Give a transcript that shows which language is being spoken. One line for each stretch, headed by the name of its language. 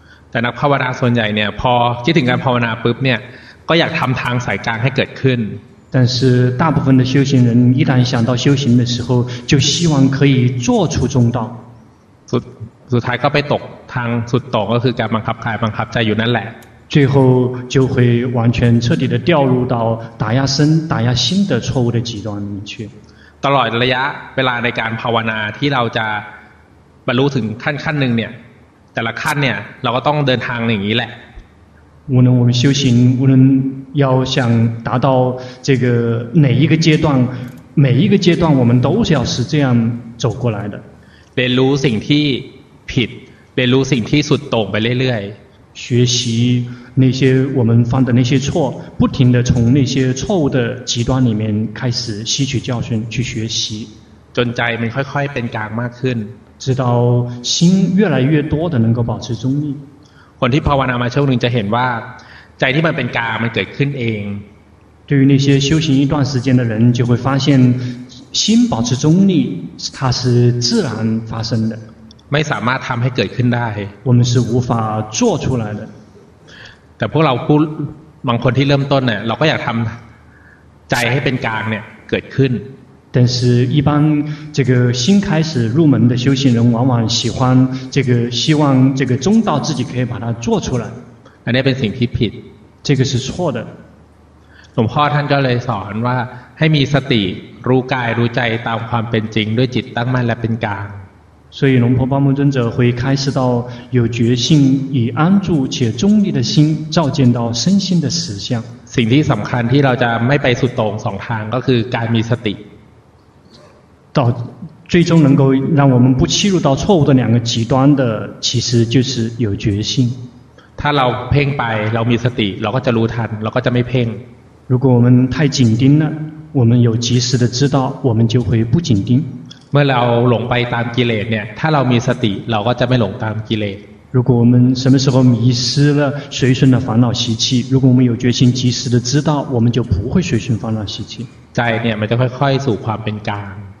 Chinese: 在那靠把它存在呢跑接顶干跑把它不呢搞一下他们汤甩干还给坑但是大部分的修行人一旦想到修行的时候就希望可以做出中道
Thai: สุดท้ายก็ไปตกทางสุดตรงก็คือการบังคับกายบังคับใจอยู่นั่นแหละ
Chinese: 最后就会完全彻底的掉入到打压身打压心的错误的极端里面去
Thai: ตลอดระยะเวลาในการภาวนาที่เราจะบรรลุถึงขั้นหนึ่งเนี่ย แต่ละขั้นเนี่ยเราก็ต้องเดินทางอย่างนี้แหละ
Chinese: 无论我们修行，无论要想达到这个哪一个阶段，每一个阶段我们都是要是这样走过来的。
Thai: เรียนรู้สิ่งที่ผิดเรียนรู้สิ่งที่สุดโต่งไปเรื่อย
Chinese: ๆ学习那些我们犯的那些错，不停的从那些错误的极端里面开始吸取教训去学习。
Thai: จนใจมันค่อยๆเป็นกลางมากขึ้น
Chinese: 直到心越来越多的能够保持中立。
Thai: คนที่ภาวนามาช่วงหนึ่งจะเห็นว่าใจที่มันเป็นกลางมันเกิดขึ้นเอง
Chinese: 对于那些修行一段时间的人就会发现心保持中立它是自然发生的
Thai: ไม่สามารถทำให้เกิดขึ้นได้
Chinese: 我们是无法做出来的
Thai: แต่พวกเราบางคนที่เริ่มต้นเนี่ยเราก็อยากทำใจให้เป็นกลางเนี่ยเกิดขึ้น
Chinese: 但是一般这个新开始入门的修行人往往喜欢这个希望这个中道自己可以把它做出来
Thai: อันนี้เป็นสิ่งที่ผิด
Chinese: 这个是错的
Thai: หลวงพ่อท่านก็เลยสอนว่าให้มีสติรู้กายรู้ใจตามความเป็นจริงด้วยจิตตั้งมั่นและเป็นกลาง
Chinese: 所以龙婆巴木尊者会开始到有觉性以安住且中立的心照见到身心的实相
Thai: สิ่งที่สำคัญที่เราจะไม่ไปสุดโต่งสองทางก็คือการมีสติ
Chinese: 到最终能够让我们不弃入到错误的两个极端的其实就是有决心
Thai: ถ้าเราเพ่งไปเรามีสติเราก็จะรู้ทันเราก็จะไม่เพ่ง
Chinese: 如果我们太紧盯了我们有及时的知道我们就会不紧盯
Thai: เมื่อเราหลงไปตามกิเลสเนี่ยถ้าเรามีสติเราก็จะไม่หลงตามกิเลส
Chinese: 如果我们什么时候迷失了随顺的烦恼习气如果我们有决心及时的知道我们就不会随顺烦恼习气
Thai: ใจเนี่ยมันจะค่อยๆสู่ความเป็นกลาง